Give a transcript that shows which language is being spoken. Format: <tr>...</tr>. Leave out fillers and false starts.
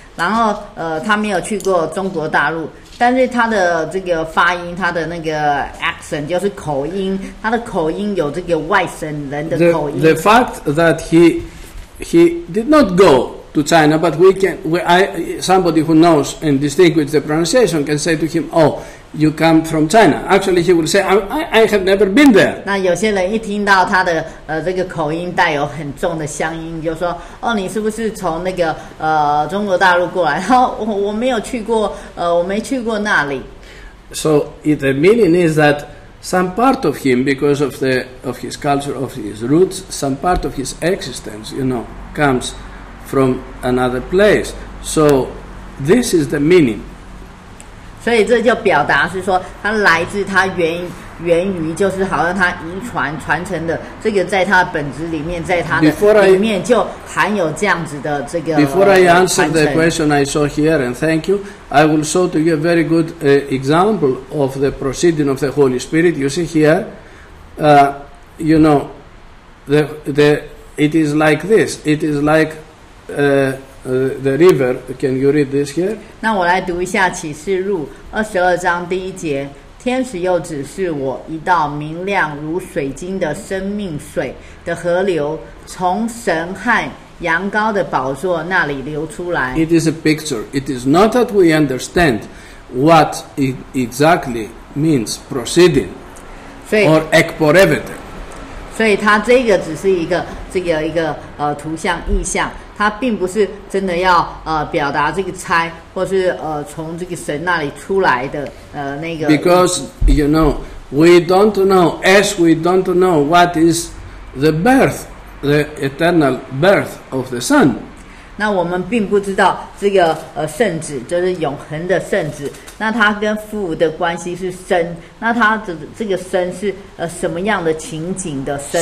<zh>然后他没有去过中国大陆，但是他的这个发音，他的那个 accent 就是口音，他的口音有这个外省人的口音。</zh> <en>The fact that he did not go to China, but somebody who knows and distinguishes the pronunciation can say to him, oh. You come from China. Actually, he will say, I have never been there.</en> <zh>那有些人一听到他的这个口音带有很重的乡音，就说，哦，你是不是从那个中国大陆过来？然后我没有去过，我没去过那里。</zh> <en>So the meaning is that some part of him, because of the of his culture, of his roots, some part of his existence, you know, comes from another place. So this is the meaning.</en> <zh>所以这就表达是说他来自他源于就是好像他遗传传承的这个在他的本质里面，在他的里面就含有这样子的这个传承。</zh> <en>Before I answer the question I saw here and thank you, I will show to you a very good example of the proceeding of the Holy Spirit. You see here, you know, it is like this, it is like... the river, can you read this here?</en> <zh>那我来读一下启示录22:1，天使又指示我一道明亮如水晶的生命水的河流，从神和羊羔的宝座那里流出来。</zh> <en>It is a picture. It is not that we understand what it exactly means, proceeding or exporevit.</en> <zh>所以它这个只是一个这个一个图像意象，他并不是真的要表达这个差，或是从这个神那里出来的那个。</zh> <en>Because you know, we don't know as we don't know what is the birth, the eternal birth of the Son.</en> <zh>那我们并不知道这个圣子，就是永恒的圣子。那他跟父的关系是生，那他这个生是什么样的情景的生</zh>